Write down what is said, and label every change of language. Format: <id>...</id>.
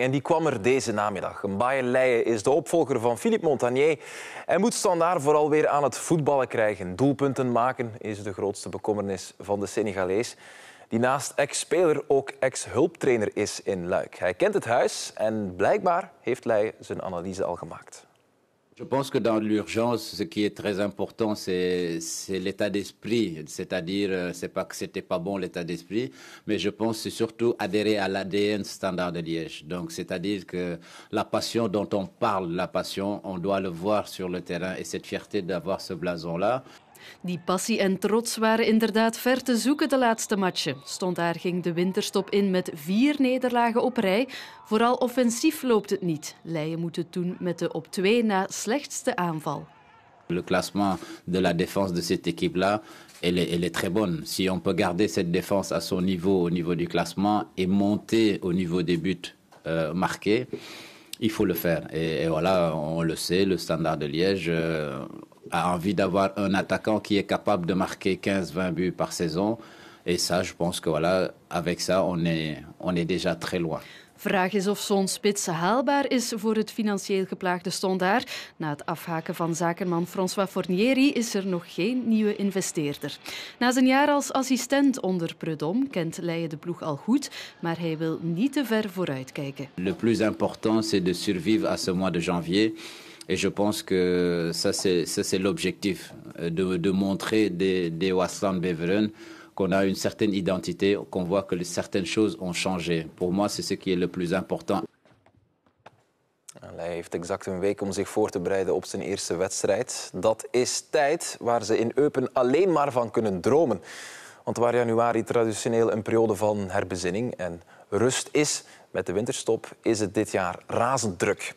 <nl>En die kwam er deze namiddag. Mbaye Leye is de opvolger van Philippe Montagnier. En moet Standaar vooral weer aan het voetballen krijgen. Doelpunten maken is de grootste bekommernis van de Senegalees. Die naast ex-speler ook ex-hulptrainer is in Luik. Hij kent het huis en blijkbaar heeft Leye zijn analyse al gemaakt.</nl> <fr>Je pense que dans l'urgence, ce qui est très important, c'est l'état d'esprit. C'est-à-dire, c'est pas que c'était pas bon l'état d'esprit, mais je pense c'est surtout adhérer à l'ADN standard de Liège. Donc, c'est-à-dire que la passion dont on parle, la passion, on doit le voir sur le terrain et cette fierté d'avoir ce blason-là.</fr> <nl>Die passie en trots waren inderdaad ver te zoeken de laatste matchen. Standaar ging de winterstop in met 4 nederlagen op rij. Vooral offensief loopt het niet. Leye moet het doen met de op 2 na slechtste aanval.</nl> <fr>Le classement de la défense de cette équipe là, elle est très bonne. Si on peut garder cette défense à son niveau au niveau du classement et monter au niveau des buts marqués, il faut le faire. Et voilà, on le sait, le Standaard de Liège a envie d'avoir un attaquant qui est capable de marquer 15-20 buts par saison. Et ça, je pense que voilà, avec ça, on est déjà très loin.</fr> <nl>Vraag is of zo'n spits haalbaar is voor het financieel geplaagde Standaard. Na het afhaken van zakenman François Fornieri is er nog geen nieuwe investeerder. Na zijn jaar als assistent onder Prudhomme kent Leye de ploeg al goed, maar hij wil niet te ver vooruitkijken.</nl> <fr>Le plus important c'est de survivre à ce mois de janvier. Et je pense que ça c'est l'objectif, de montrer des Wasland Beveren qu'on a une certaine identité, qu'on voit que certaines choses ont changé. Pour moi, c'est ce qui est le plus important.</fr> <nl>Leye heeft exact een week om zich voor te bereiden op zijn eerste wedstrijd. Dat is tijd waar ze in Eupen alleen maar van kunnen dromen. Want waar januari traditioneel een periode van herbezinning en rust is, met de winterstop is het dit jaar razend druk.</nl>